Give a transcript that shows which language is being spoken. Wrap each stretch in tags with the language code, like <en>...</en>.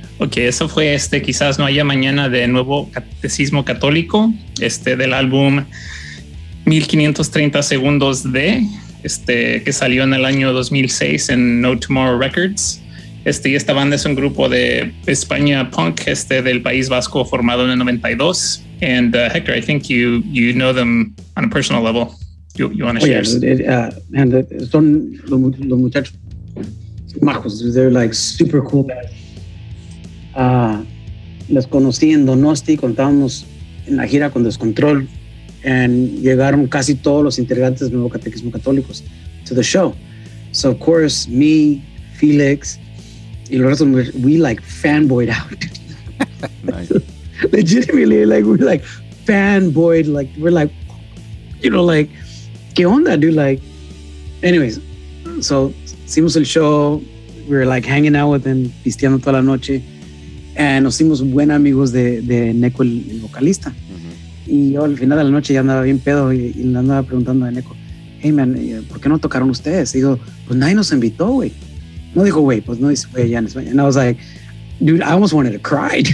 <es>que eso fue este Quizás No Haya Mañana de Nuevo Catecismo Católico, este del álbum 1530 segundos de este que salió en el año 2006 en No Tomorrow Records. Este, y esta banda es un grupo de España punk, este del País Vasco, formado en el 92.</es> <en>And Hector, I think you know them on a personal level. You want to share? And</en> <es>son los muchachos majos,</es> <en>they're like super cool guys.</en> <es>Les conocí en Donosti, contábamos en la gira con Descontrol, and llegaron casi todos los integrantes del Nuevo Catequismo Católicos</es> <en>to the show. So of course, me, Felix,</en> <es>y los otros,</es> <en>we like fanboyed out. Legitimately, like we're like fanboyed, like we're like, you know, like,</en> <es>¿qué onda,</es> <en>dude? Like, anyways, so</en> <es>hicimos el show,</es> <en>we were like hanging out with them,</en> <es>pisteando toda la noche, and nos hicimos buen amigos de Neko, el vocalista. Y yo al final de la noche ya andaba bien pedo y le andaba preguntando a Neko,</es> <en>hey man,</en> <es>¿por qué no tocaron ustedes? Y digo, pues nadie nos invitó, güey. No dijo, güey, pues no dice, güey, ya en España.</es> <en>And I was like, dude, I almost wanted to cry.</en>